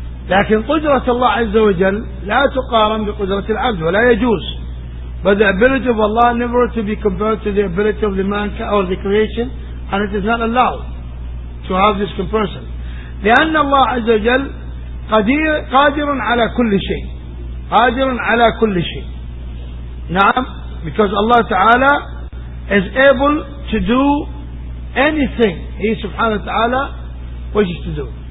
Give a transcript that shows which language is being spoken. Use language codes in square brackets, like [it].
[ar] لكن قدرة الله عز وجل لا تقارن بقدرة العبد ولا يجوز. [en] But the ability of Allah never to be compared to the ability of the man or the creation, and it is not allowed to have this comparison. [ar] لأن الله عز وجل قادر على كل شيء, قادر على كل شيء. [en] نعم, because Allah تعالى is able to do anything. He سبحانه وتعالى wishes to do.